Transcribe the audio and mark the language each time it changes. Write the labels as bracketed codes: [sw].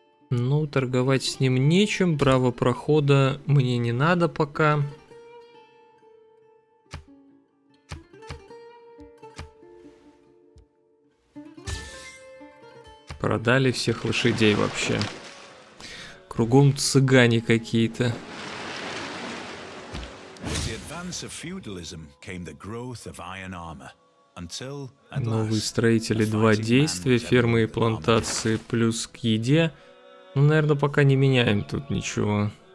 [ru] Ну, торговать с ним нечем, право прохода мне не надо пока. Продали всех лошадей вообще. Кругом цыгане какие-то. [en] With the advance of feudalism came the growth of iron armor. [ru] Новые строители, два действия, фермы и плантации плюс к еде. Ну, наверное, пока не меняем тут ничего.